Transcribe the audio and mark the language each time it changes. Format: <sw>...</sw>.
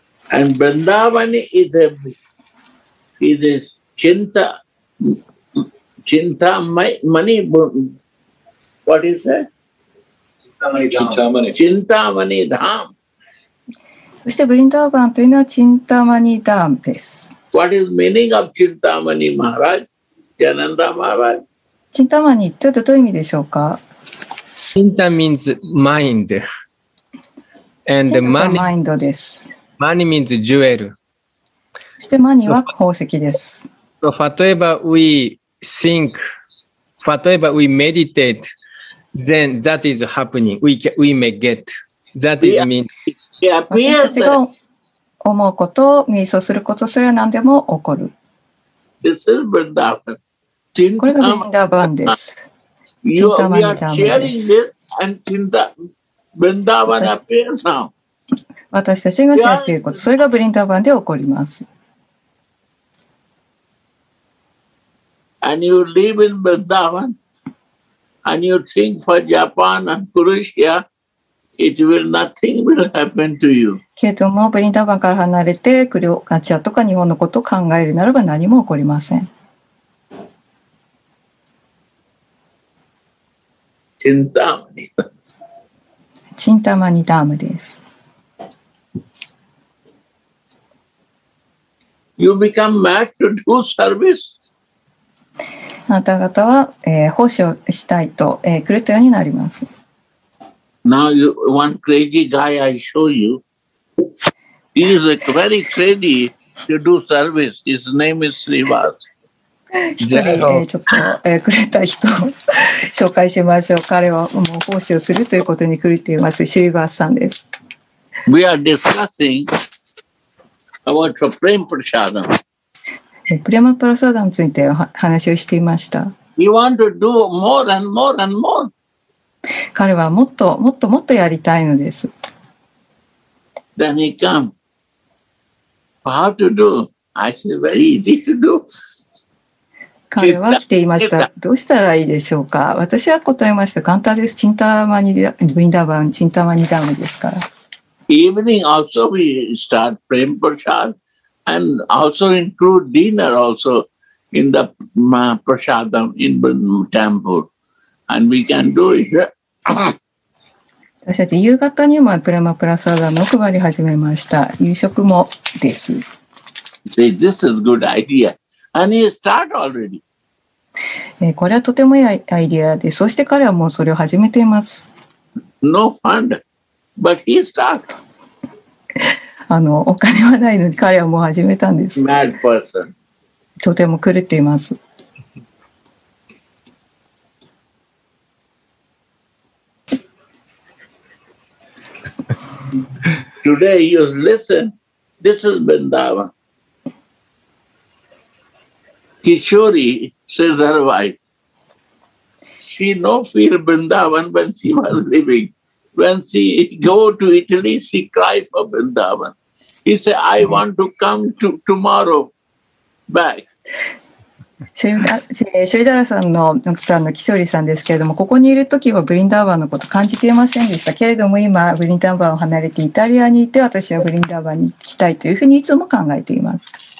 <en>And Vrindavan is a chinta, chinta mani, what is that? Chintamani dham.</en> <ja>そしてブリンダーバンというのはチンタマニダームです。</ja> <en>What is meaning of Chintamani Maharaj? Yananda Maharaj? Chintamani, what is the meaning of Chintamani? Chinta means mind. And the money. Mind money means jewel. And money is 宝石 So, whatever we think, whatever we meditate, then that is happening. We may get. That is mean. Yeah, yeah, yeah.</en> <ja>思うこと、瞑想することすら何でも起こる。</ja> <en>This is Vrindavan.</en> <ja>これがブリンダーバンです。</ja> <en>You are sharing this and Vrindavan appears now.</en> <ja>私たちがシェアしていること、それがブリンダーバンで起こります。</ja> <en>And you live in Vrindavan and you think for Japan and Kurushya. It will, nothing will happen to you.</en> <ja>けれどもブリンダーバンから離れてクリュチャとか日本のことを考えるならば何も起こりません。チンタマニダム。チンタマニダムです。</ja> <en>You become mad to do service.</en> <ja>あなた方は、奉仕をしたいと、クリュチャになります。</ja> <en>Now you, one crazy guy I show you, he is very crazy to do service. His name is Srivas.</en> <ja>一人でちょっとくれた人を紹介しましょう。彼はもう奉仕をするということに狂っています。シリバースさんです。</ja> <en>We are discussing about Prema Prasadam.</en> <ja>Prema Prasadam についてお話をしていました。</ja> <en>You want to do more and more and more.</en> <ja>彼はもっともっともっとやりたいのです。</ja> <en>Then he come. How to do? I said, very easy to do.</en> <ja>彼は来ていました。どうしたらいいでしょうか。私は答えました。簡単です。チンタマニダム、ブリンダーバン、チンタマニダムですから。</ja> <en>Evening also we start Prema Prasad and also include dinner also in the Prasadam in temple. And we can do it.</en> <ja>私たち夕方にもプレマプラサーダムを配り始めました。夕食もです。</ja> <en>See, this is a good idea. And he start already.</en> <ja>これはとてもいいアイデアで、そして彼はもうそれを始めています。</ja> <en>No fund, but he start.</en> <ja>お金はないのに彼はもう始めたんです。</ja> <en>Mad person.</en> <ja>とても狂っています。</ja> <en>Today you listen, this is Vrindavan. Kishori says her wife. She no fear Vrindavan when she was living. When she go to Italy, she cry for Vrindavan. He say, I want to come to tomorrow back.</en> <ja>シリダラさんの奥さんのキショリさんですけれども、ここにいるときはブリンダーバンのこと感じていませんでしたけれども、今ブリンダーバンを離れてイタリアにいて、私はブリンダーバンに行きたいというふうにいつも考えています。</ja>